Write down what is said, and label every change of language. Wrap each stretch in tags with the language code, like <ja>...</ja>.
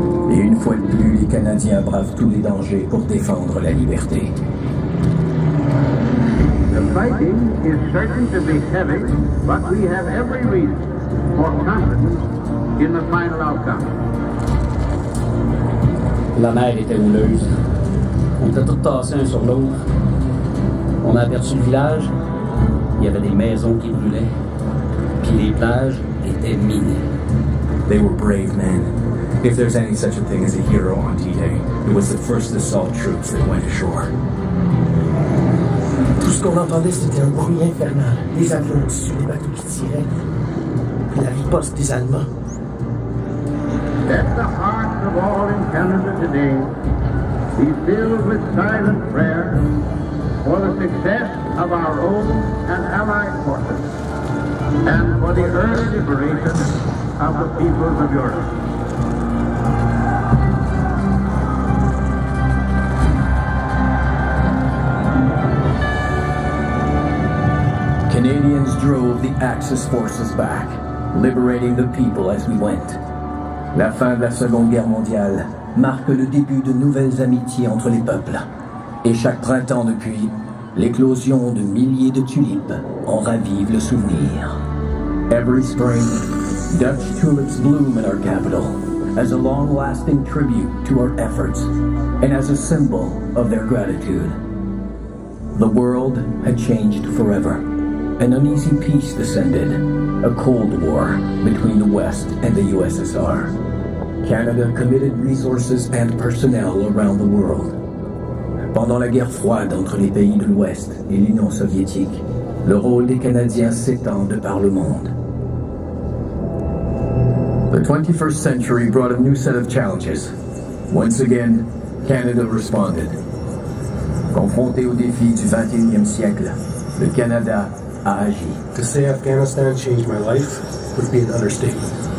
<fr>Une fois de plus, les Canadiens bravent tous les dangers pour défendre la liberté.</fr> <en>The fighting is certain to be heavy, but we have every reason for confidence in the final outcome.</en> <fr>La mer était houleuse. On était tous tassés un sur l'autre. On a aperçu le village. Il y avait des maisons qui brûlaient. Puis les plages étaient minées.</fr> <en>They were brave men. If there's any such a thing as a hero on D-Day, it was the first assault troops that went ashore.</en> <fr>Tout ce qu'on entendait, c'était un bruit infernal. Des avions au-dessus, des bateaux qui tiraient. Puis la riposte des Allemands.</fr> <en>At the heart of all in Canada today, be filled with silent prayer for the success of our own and allied forces and for the early liberation of the peoples of Europe. Canadians drove the Axis forces back, liberating the people as we went.</en> <fr>La fin de la Seconde Guerre mondiale marque le début de nouvelles amitiés entre les peuples. Et chaque printemps depuis, l'éclosion de milliers de tulipes en ravive le souvenir.</fr> <en>Every spring, Dutch tulips bloom in our capital as a long-lasting tribute to our efforts and as a symbol of their gratitude. The world had changed forever. An uneasy peace descended, a cold war between the West and the USSR. Canada committed resources and personnel around the world.</en> <fr>Pendant la guerre froide entre les pays de l'Ouest et l'Union soviétique, le rôle des Canadiens s'étend de par le monde.</fr> <en>The 21st century brought a new set of challenges. Once again, Canada responded.</en> <fr>Confronté aux défis du 21e siècle, le Canada Aji.</fr> <en>To say Afghanistan changed my life would be an understatement.</en>